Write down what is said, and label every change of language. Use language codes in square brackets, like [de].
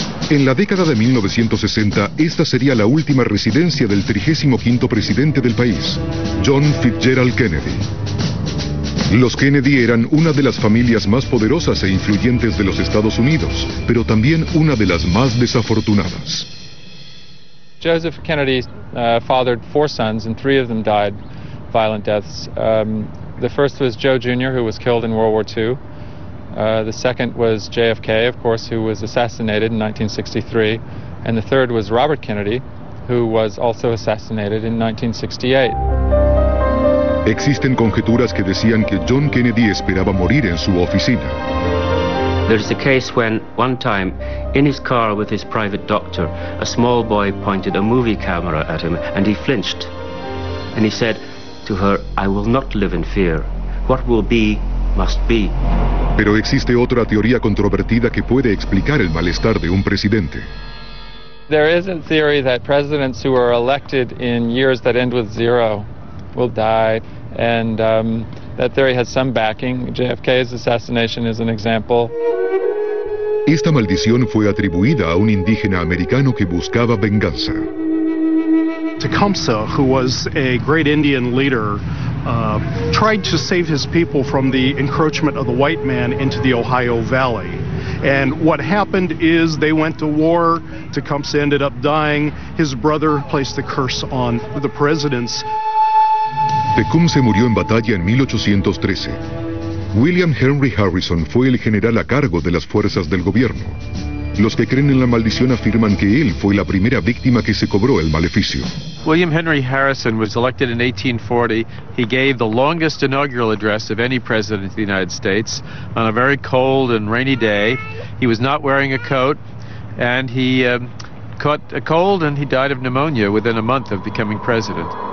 [es] En la década de 1960, esta sería la última residencia del 35º presidente del país, John Fitzgerald Kennedy. Los Kennedy eran una de las familias más poderosas e influyentes de los Estados Unidos, pero también una de las más desafortunadas. [en] Joseph Kennedy fathered 4 sons and 3 of them died violent deaths. The first was Joe Jr., who was killed in World War II. The second was JFK, of course, who was assassinated in 1963. And the third was Robert Kennedy, who was also assassinated in 1968. [es] Existen conjeturas que decían que John Kennedy esperaba morir en su oficina. [en] There's a case when, one time, in his car with his private doctor, a small boy pointed a movie camera at him, and he flinched. And he said to her, I will not live in fear. What will be, must be. [es] Pero existe otra teoría controvertida que puede explicar el malestar de un presidente. [en] There is a theory that presidents who are elected in years that end with zero will die, and that theory has some backing. JFK's assassination is an example. [es] Esta maldición fue atribuida a un indígena americano que buscaba venganza. [en] Tecumseh, who was a great Indian leader, tried to save his people from the encroachment of the white man into the Ohio Valley. And what happened is they went to war, Tecumseh ended up dying, his brother placed the curse on the presidents. [es] Tecumseh murió en batalla en 1813. William Henry Harrison fue el general a cargo de las fuerzas del gobierno. Los que creen en la maldición afirman que él fue la primera víctima que se cobró el maleficio. [en] William Henry Harrison was elected in 1840. He gave the longest inaugural address of any president of the United States on a very cold and rainy day. He was not wearing a coat, and he caught a cold and he died of pneumonia within a month of becoming president.